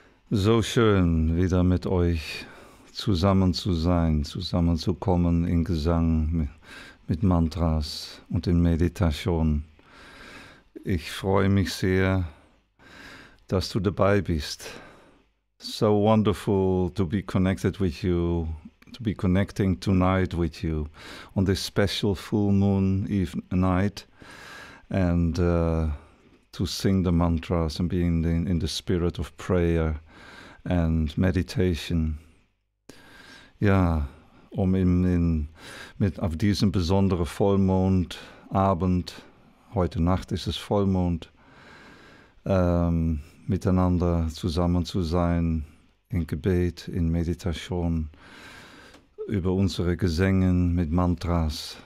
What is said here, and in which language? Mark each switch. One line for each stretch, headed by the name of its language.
German: So schön, wieder mit euch zusammen zu sein, zusammenzukommen in Gesang, mit Mantras und in Meditation. Ich freue mich sehr, dass du dabei bist.
English: So wonderful to be connected with you, to be connecting tonight with you on this special full moon night. And to sing the mantras and being in the spirit of prayer and meditation.
German: Ja, um mit auf diesem besonderen Vollmondabend, heute Nacht ist es Vollmond, miteinander zusammen zu sein, in Gebet, in Meditation, über unsere Gesänge mit Mantras.